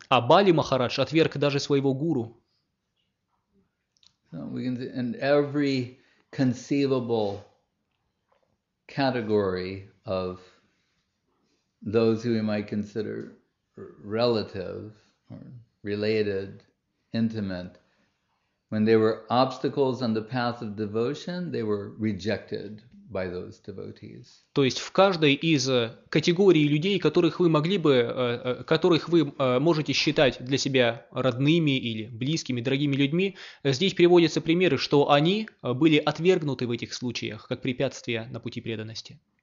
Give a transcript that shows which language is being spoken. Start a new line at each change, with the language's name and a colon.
Russian: А Бали Махарадж отверг даже своего гуру.
English: So we can see, and every conceivable category of those who we might consider relative or related, intimate, when they were obstacles on the path of devotion, they were rejected by those devotees.
Russian: То есть в каждой из категорий людей, которых вы могли бы, которых вы можете считать для себя родными или близкими, дорогими людьми, здесь приводятся примеры, что они были отвергнуты в этих случаях как препятствия на пути преданности.